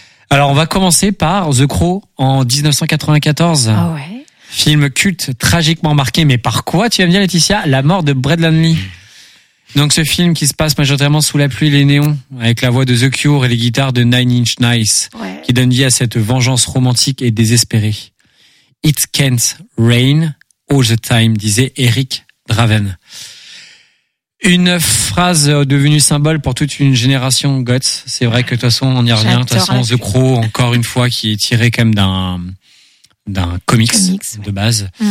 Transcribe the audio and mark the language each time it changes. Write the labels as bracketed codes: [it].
[fr] Alors, on va commencer par The Crow en 1994. Ah ouais. Film culte, tragiquement marqué. Mais par quoi, tu vas me dire, Laetitia ? La mort de Brad Lundley. Donc ce film qui se passe majoritairement sous la pluie et les néons, avec la voix de The Cure et les guitares de Nine Inch Nails, qui donne vie à cette vengeance romantique et désespérée. [en] It can't rain all the time, [fr] disait Eric Draven. Une phrase devenue symbole pour toute une génération goth. C'est vrai que de toute façon on y revient. J'adore. De toute façon The Crow, encore une fois, qui est tiré quand même d'un comics de base.